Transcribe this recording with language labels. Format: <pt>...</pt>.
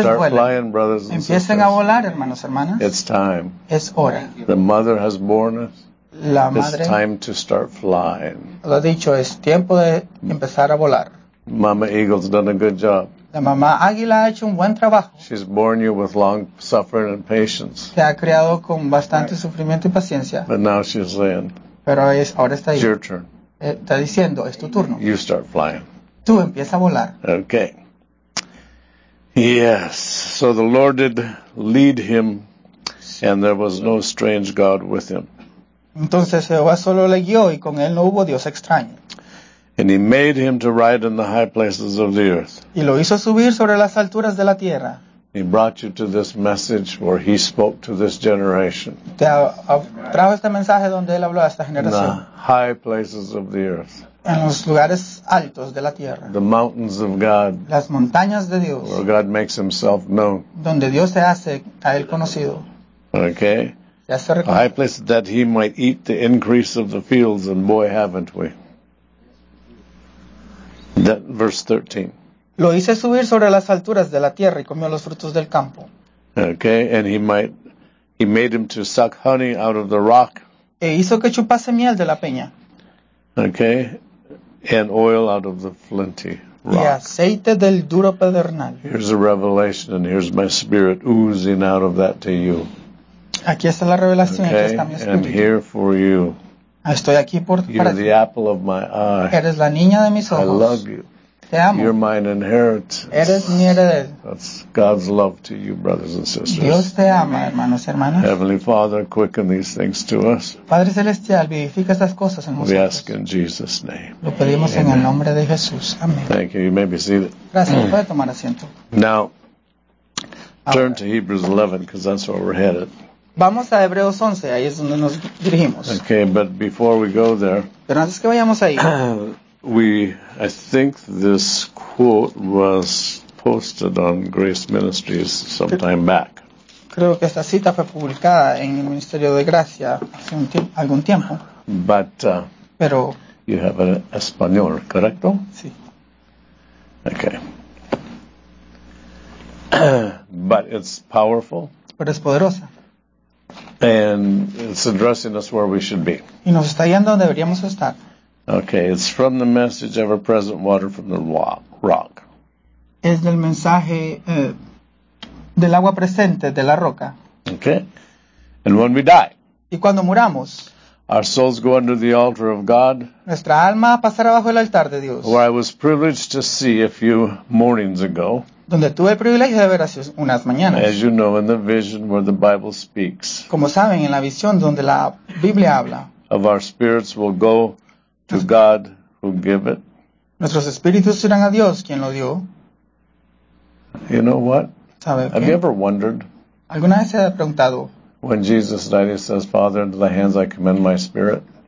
<en>start</en> <es>vuelen.</es> <en>Flying, brothers and</en> <es>empiecen</es> <en>sisters.</en> <es>A volar, hermanos, hermanas.</es> <en>It's time.</en> <es>Es hora.</es> <en>The mother has borne us.</en> <es>La madre.</es> <en>It's time to start flying.</en> <es>Lo ha dicho, es tiempo de empezar a volar.</es> <en>Mama Eagle's done a good job.</en> <es>La mamá águila ha hecho un buen trabajo.</es> <en>She's borne you with long suffering and patience.</en> <es>Te ha criado con bastante</es> <en>right.</en> <es>Sufrimiento y paciencia.</es> <en>But now she's saying.</en> <es>Pero es, ahora está ahí.</es> <en>It's your turn.</en> <es>Está diciendo, es tu turno.</es> <en>You start flying.</en> <es>Tú empiezas a volar.</es> <en>Okay. Yes. So the Lord did lead him, and there was no strange God with him.</en> <es>Entonces Jehová solo le guió, y con él no hubo Dios extraño.</es> <en>And he made him to ride in the high places of the earth.</en> <es>Y lo hizo subir sobre las alturas de la tierra.</es> <en>He brought you to this message where he spoke to this generation.</en> <es>Te trajo este mensaje donde él habló a esta generación.</es> <en>The high places of the earth.</en> <es>En los lugares altos de la tierra.</es> <en>The mountains of God.</en> <es>Las montañas de Dios.</es> <en>Where God makes himself known.</en> <es>Donde Dios se hace a él conocido.</es> <en>Okay. A high place that he might eat the increase of the fields, and boy, haven't we. That, verse 13.</en> <es>Lo hice subir sobre las alturas de la tierra y comió los frutos del campo.</es> <en>Okay, and he made him to suck honey out of the rock.</en> <es>E hizo que chupase miel de la peña.</es> <en>Okay, and oil out of the flinty rock.</en> <es>Y aceite del duro pedernal.</es> <en>Here's a revelation and here's my spirit oozing out of that to you.</en> <es>Aquí está la revelación,</es> <en>okay,</en> <es>aquí está mi espíritu.</es> <en>And here for you.</en> <es>Estoy aquí por ti.</es> <en>You're the apple of my eye.</en> <es>Eres la niña de mis ojos.</es> <en>I love you. You're mine inheritance.</en> <es>Eres mi heredero.</es> <en>That's God's love to you, brothers and sisters.</en> <es>Dios te ama, hermanos y hermanas.</es> <en>Heavenly Father, quicken these things to us.</en> <es>Padre celestial, vivifica estas cosas en nosotros.</es> <en>We ask in Jesus' name.</en> <es>Lo pedimos</es> <en>Amen.</en> <es>En el nombre de Jesús. Amén.</es> <en>Thank you. You may be seated.</en> <es>Gracias. Puede tomar asiento.</es> <en>Now, turn to Hebrews 11, because that's where we're headed.</en> <es>Vamos a Hebreos 11. Ahí es donde nos dirigimos.</es> <en>Okay, but before we go there.</en> <es>Pero antes que vayamos ahí.</es> <en>I think this quote was posted on Grace Ministries some time back.</en> <es>Creo que esta cita fue publicada en el Ministerio de Gracia hace un algún tiempo.</es> <en>But</en> <es>pero</es> <en>you have an</en> <es>español, correcto? Sí.</es> <en>Okay. But it's powerful.</en> <es>Pero es poderosa.</es> <en>And it's addressing us where we should be.</en> <es>Y nos está yendo donde deberíamos estar.</es> <en>Okay, it's from the message of a present water from the rock.</en> <es>Es del mensaje del agua presente de la roca.</es> <en>Okay. And when we die,</en> <es>y cuando muramos,</es> <en>our souls go under the altar of God.</en> <es>Nuestra alma pasará bajo el altar de Dios.</es> <en>Where I was privileged to see a few mornings ago.</en> <es>Donde tuve el privilegio de ver hace unas mañanas.</es> <en>As you know, in the vision where the Bible speaks.</en> <es>Como saben, en la visión donde la Biblia habla.</es> <en>Of our spirits will go to God who give it.</en> <es>Nuestros espíritus irán a Dios quien lo dio.</es> <en>You know what?</en> <es>¿Sabe</es> <en>Have</en> <es>qué?</es> <en>You ever wondered?</en> <es>¿Alguna vez se ha preguntado?</es> <en>When Jesus died, he says, Father, into the hands I commend my spirit.</en>